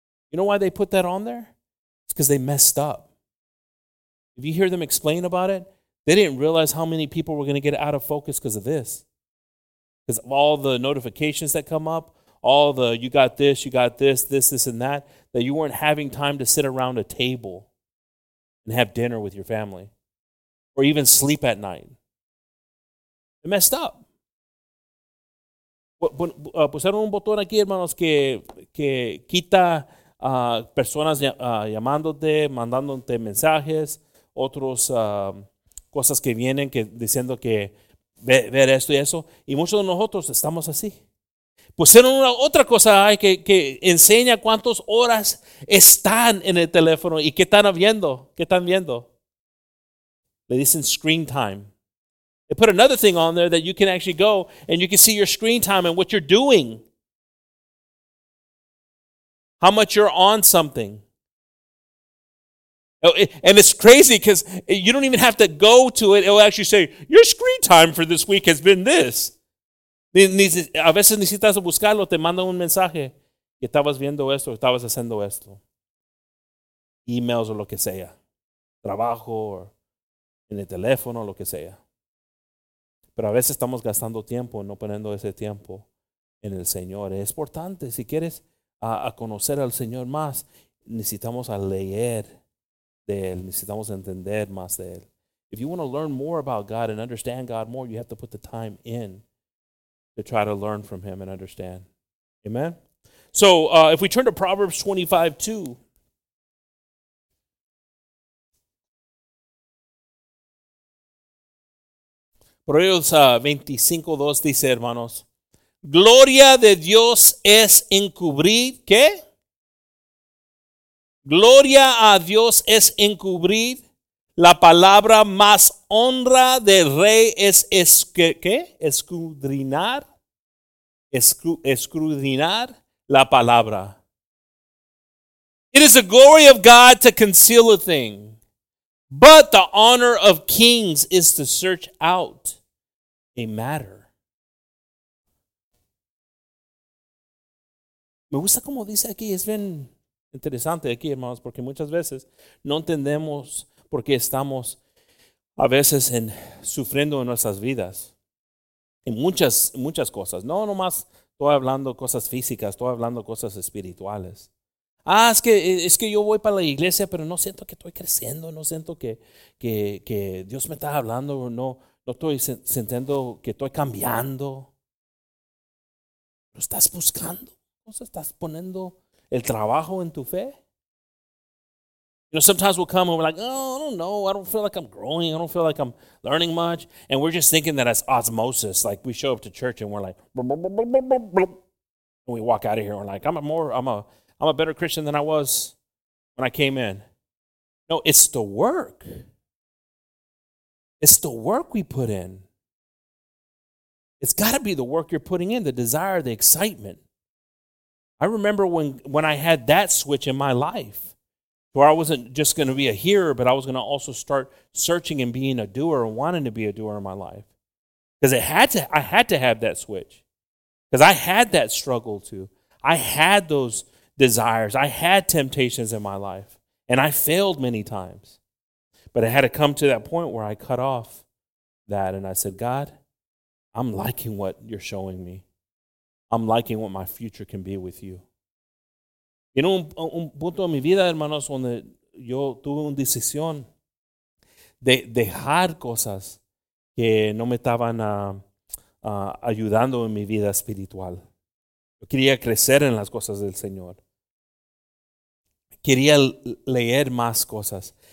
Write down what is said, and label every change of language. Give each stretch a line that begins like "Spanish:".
English: You know why they put that on there? It's because they messed up. If you hear them explain about it, they didn't realize how many people were going to get out of focus because of this. Because of all the notifications that come up, all the, you got this, this, this, and that, that you weren't having time to sit around a table and have dinner with your family or even sleep at night. It messed up.
Spanish: Pusieron un botón aquí, hermanos, que quita personas llamándote, mandándote mensajes, otros cosas que vienen que diciendo que ver esto y eso. Y muchos de nosotros estamos así. Pusieron una otra cosa ahí que enseña cuántas horas están en el teléfono y qué están viendo. ¿Qué están viendo? Le dicen screen time.
English: They put another thing on there that you can actually go and you can see your screen time and what you're doing. How much you're on something. And it's crazy because you don't even have to go to it. It will actually say, your screen time for this week has been this.
Spanish: A veces necesitas buscarlo, te manda un mensaje que estabas viendo esto, estabas haciendo esto. Emails o lo que sea. Trabajo, or en el teléfono, lo que sea. Pero a veces estamos gastando tiempo, no poniendo ese tiempo en el Señor. Es importante, si quieres a conocer al Señor más, necesitamos a leer de Él, necesitamos entender más de Él.
English: If you want to learn more about God and understand God more, you have to put the time in to try to learn from Him and understand. Amen? So if we turn to Proverbs 25:2,
Spanish: Proverbs 25:2 dice, hermanos, gloria de Dios es encubrir, ¿qué? Gloria a Dios es encubrir la palabra, más honra del rey es escudriñar la palabra.
English: It is the glory of God to conceal a thing, but the honor of kings is to search out a matter.
Spanish: Me gusta como dice aquí, es bien interesante aquí, hermanos, porque muchas veces no entendemos por qué estamos a veces en sufriendo en nuestras vidas. En muchas cosas. No nomás estoy hablando cosas físicas, estoy hablando cosas espirituales. Ah, es que yo voy para la iglesia, pero no siento que estoy creciendo, no siento que Dios me está hablando, no estoy sintiendo que estoy cambiando. ¿Lo estás buscando? ¿No estás poniendo el trabajo en tu fe?
English: You know, sometimes we'll come and we're like, oh, I don't know. I don't feel like I'm growing. I don't feel like I'm learning much. And we're just thinking that as osmosis. Like, we show up to church and we're like, and we walk out of here. And we're like, I'm a better Christian than I was when I came in. No, it's the work. It's the work we put in. It's got to be the work you're putting in, the desire, the excitement. I remember when I had that switch in my life, where I wasn't just going to be a hearer, but I was going to also start searching and being a doer and wanting to be a doer in my life. Because I had to have that switch. Because I had that struggle too. I had those desires. I had temptations in my life. And I failed many times. But I had to come to that point where I cut off that and I said, God, I'm liking what you're showing me. I'm liking what my future can be with you.
Spanish: En un punto de mi vida, hermanos, donde yo tuve una decisión de dejar cosas que no me estaban ayudando en mi vida espiritual. Yo quería crecer en las cosas del Señor. Quería leer más cosas.